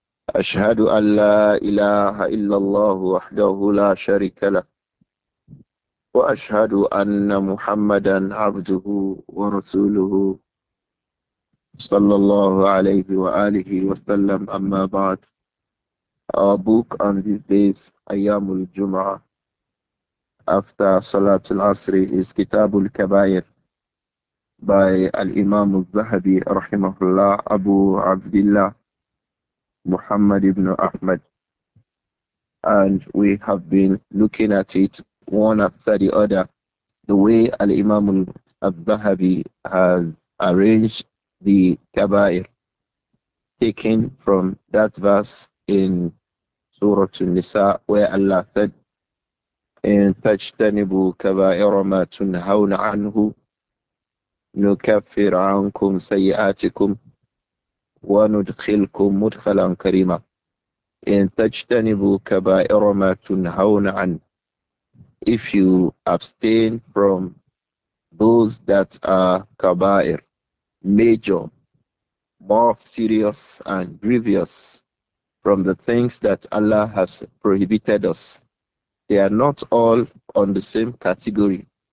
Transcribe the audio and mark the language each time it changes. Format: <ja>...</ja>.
<ar>أشهد أن لا إله إلا الله وحده لا شريك له، وأشهد أن محمدا عبده ورسوله صلى الله عليه وآله وسلم. أما بعد،</ar> <en>our book on these days,</en> <ar>أيام الجمعة</ar> <en>after</en> <ar>صلاة العصر,</ar> <en>is كتاب الكبائر by Al-Imam Al-Zahabi Rahimahullah Abu Abdullah Muhammad ibn Ahmad. And we have been looking at it one after the other, the way Al-Imam Al-Zahabi has arranged the Kabair, taken from that verse in Surah Al-Nisa where Allah said,</en> <ar>إِن تَجْتَنِبُوا كَبَائِرَ مَا تُنْهَوْنَ عَنْهُ نكفر عنكم سيئاتكم وندخلكم مدخلا كريما. إن تجتنبوا كبائر ما تنهون عنه.</ar> <en>If you abstain from those that are kabair, major, more serious and grievous, from the things that Allah has prohibited us, they are not all on the same category.</en>